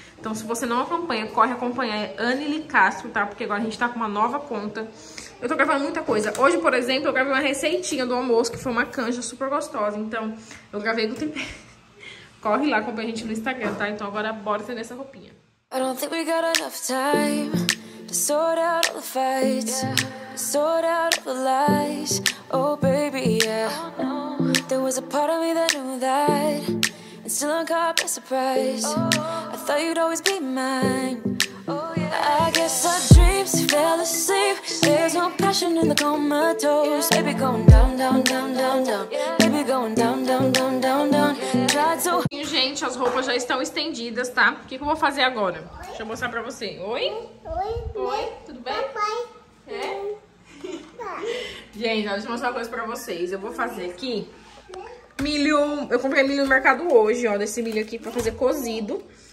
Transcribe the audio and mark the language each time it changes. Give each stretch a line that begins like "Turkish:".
Portuguese: Então se você não acompanha, corre acompanhar. É Anneli Castro, tá? Porque agora a gente tá com uma nova conta. Eu tô gravando muita coisa. Hoje, por exemplo, eu gravei uma receitinha do almoço, que foi uma canja super gostosa. Então, eu gravei no tempero. Corre lá, acompanha a gente no Instagram, tá? Então, agora, bora ter nessa roupinha.
English: I don't think we got enough time to sort out all the fights, to sort out all the lies. Oh, baby, yeah. There was a part of me that knew that, and still I'm caught by surprise. I thought you'd always be mine. Oh, yeah. I guess our dreams fell asleep. There's no passion in the comatose. Baby going down, down, down, down, down. Baby going down, down, down, down, down.
Portuguese: Gente, as roupas já estão estendidas, tá? O que, que eu vou fazer agora? Oi? Deixa eu mostrar pra você. Oi? Oi? Oi? Tudo bem? Papai. É? Gente, deixa eu mostrar uma coisa pra vocês. Eu vou fazer aqui milho. Eu comprei milho no mercado hoje, ó. Desse milho aqui pra fazer cozido.